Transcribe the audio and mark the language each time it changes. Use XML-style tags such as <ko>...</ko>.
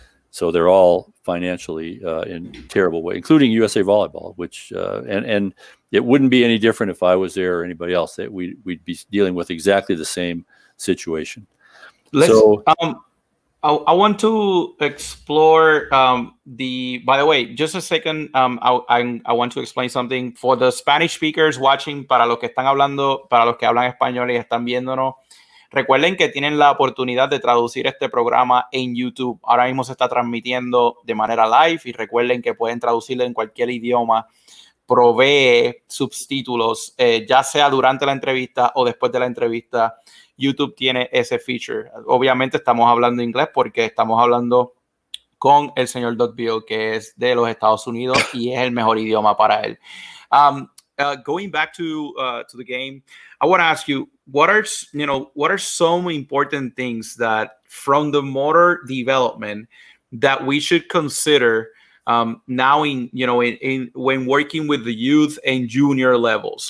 <en>So they're all financially in terrible way, including USA Volleyball, which and it wouldn't be any different if I was there or anybody else. We'd be dealing with exactly the same situation. I want to explore by the way, just a second. I want to explain something for the Spanish speakers watching.</en> <es>Para los que están hablando, para los que hablan español y están viéndonos, recuerden que tienen la oportunidad de traducir este programa en YouTube. Ahora mismo se está transmitiendo de manera live, y recuerden que pueden traducirlo en cualquier idioma. Provee subtítulos, ya sea durante la entrevista o después de la entrevista. YouTube tiene ese feature. Obviamente estamos hablando inglés porque estamos hablando con el señor Doug Beal, que es de los Estados Unidos y es el mejor idioma para él.</es> <en>Going back to the game, I want to ask you, what are some important things that from the motor development that we should consider now in when working with the youth and junior levels?</en>